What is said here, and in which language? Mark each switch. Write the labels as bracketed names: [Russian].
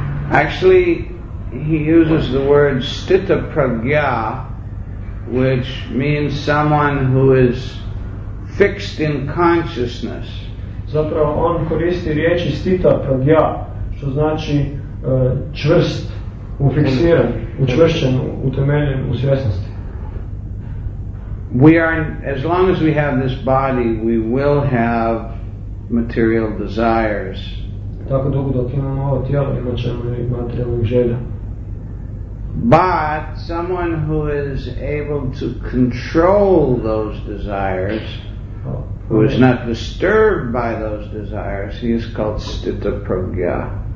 [English] Actually, he uses the word stitta pragya, which means someone who is fixed in consciousness. [Croatian] Zapravo on koristi riječi stitta pragya, što znači čvrst, ufiksiran, učvršćen, utemeljen u svjesnosti. [English] We are, as long as we have this body, we will have material desires. [Croatian] Tako dugo dok imamo ovo tijelo, imat ćemo i materijalnih želja. [English] But someone who is able to control those desires, who is not disturbed by those desires, he is called stitta pragya.